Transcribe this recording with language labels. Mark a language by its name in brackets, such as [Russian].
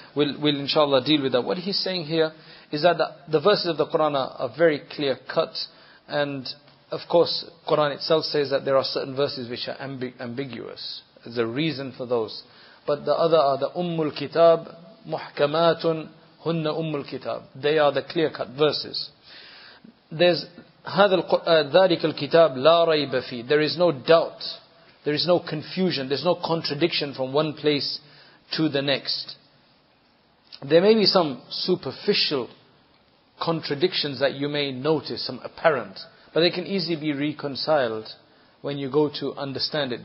[English] We'll inshallah deal with that. What he's saying here is that the verses of the Qur'an are very clear cut. And of course, Qur'an itself says that there are certain verses which are ambiguous. There's a reason for those. But the other are the Ummul Kitab, [Arabic] Muhkamatun, Hunna Ummul Kitab. [English] They are the clear cut verses. There's [Arabic] هذا ذلك الكتاب لا ريب فيه. [English] There is no doubt. There is no confusion, there is no contradiction from one place to the next. There may be some superficial contradictions that you may notice, some apparent. But they can easily be reconciled when you go to understand it.